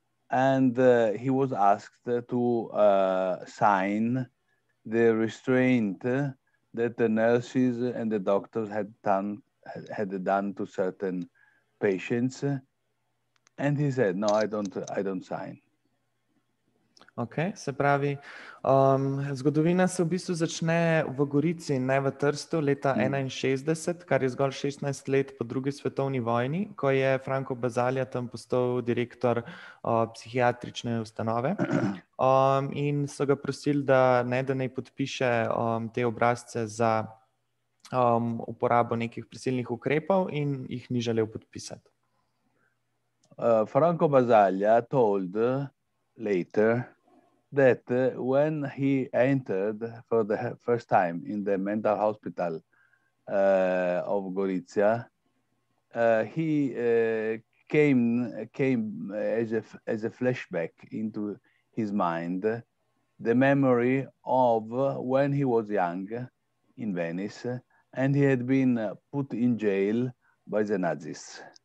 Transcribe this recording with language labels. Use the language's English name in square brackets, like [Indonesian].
[English] And he was asked to sign the restraint that the nurses and the doctors had done to certain patients. And he said, no, I don't sign. [Slovenian] Okay, se pravi, zgodovina se v bistvu začne v Gorici, ne v Trstu, leta 61, kar je zgolj 16 let po drugi svetovni vojni, ko je Franco Basaglia tam postal direktor psihiatrične ustanove in so ga prosili, da naj podpiše te obrazce za uporabo nekih prisilnih ukrepov in jih ni želel podpisati. [English] Franco Basaglia told later that when he entered for the first time in the mental hospital of Gorizia, he came as a flashback into his mind, the memory of when he was young in Venice and he had been put in jail by the Nazis.